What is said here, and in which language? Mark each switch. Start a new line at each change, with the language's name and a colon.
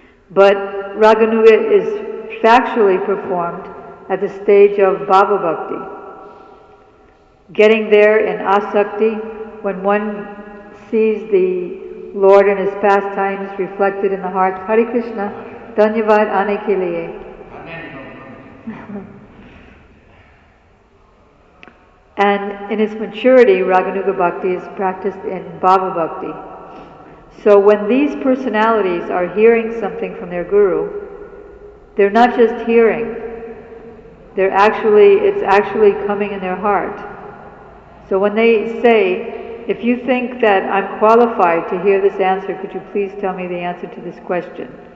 English: But Raghunuga is factually performed at the stage of Bhava Bhakti, getting there in Asakti, when one sees the Lord and his pastimes reflected in the heart.
Hindi: हरे कृष्ण, धन्यवाद आने के लिए.
English: And in its maturity, Raghunuga Bhakti is practiced in Bhava Bhakti. So when these personalities are hearing something from their guru, they're not just hearing. It's actually coming in their heart. So when they say, "If you think that I'm qualified to hear this answer, could you please tell me the answer to this question?"